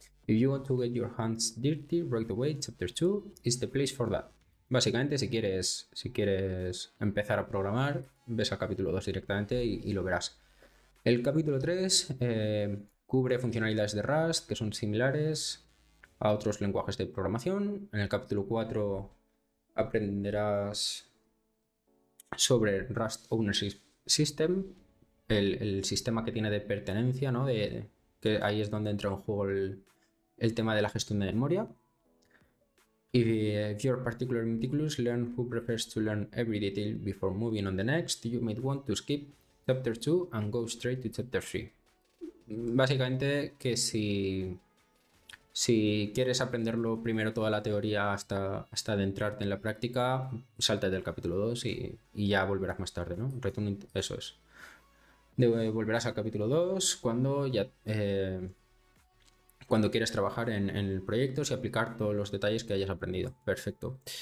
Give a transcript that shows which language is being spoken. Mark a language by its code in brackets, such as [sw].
[en] If you want to get your hands dirty right away, chapter 2 is the place for that. [es] Básicamente, si quieres empezar a programar, ves al capítulo 2 directamente y lo verás. El capítulo 3 cubre funcionalidades de Rust que son similares a otros lenguajes de programación. En el capítulo 4 aprenderás sobre Rust Owner System, el sistema que tiene de pertenencia, ¿no? Que ahí es donde entra en juego el tema de la gestión de memoria. [en] If you're particularly meticulous, learn who prefers to learn every detail before moving on the next, you might want to skip chapter 2 and go straight to chapter 3. [es] Básicamente que si quieres aprenderlo primero toda la teoría hasta adentrarte en la práctica, salta del capítulo 2 y ya volverás más tarde, ¿no? Eso es. Volverás al capítulo 2 cuando ya cuando quieres trabajar en el proyecto y aplicar todos los detalles que hayas aprendido. Perfecto.